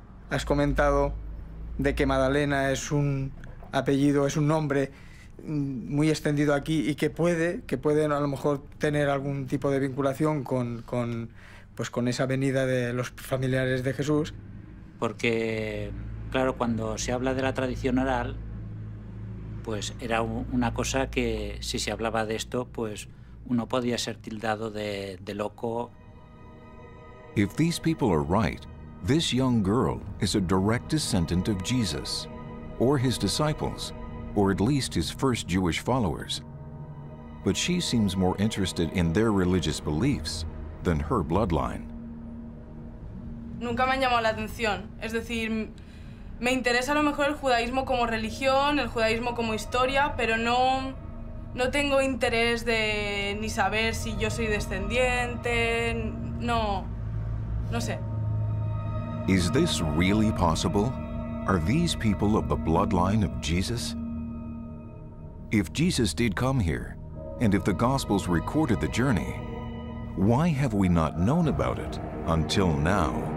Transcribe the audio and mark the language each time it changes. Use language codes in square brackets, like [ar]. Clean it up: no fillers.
[es] Has comentado de que Magdalena es un apellido, es un nombre muy extendido aquí y que puede a lo mejor tener algún tipo de vinculación con esa venida de los familiares de Jesús. Porque, claro, cuando se habla de la tradición oral, pues era una cosa que si se hablaba de esto, pues uno podía ser tildado de loco. [en] If these people are right, this young girl is a direct descendant of Jesus, or his disciples, or at least his first Jewish followers. But she seems more interested in their religious beliefs than her bloodline. [es] Nunca me han llamado la atención. Es decir, me interesa a lo mejor el judaísmo como religión, el judaísmo como historia, pero no... No tengo interés de ni saber si yo soy descendiente, no sé. [en] Is this really possible? Are these people of the bloodline of Jesus? If Jesus did come here, and if the Gospels recorded the journey, why have we not known about it until now?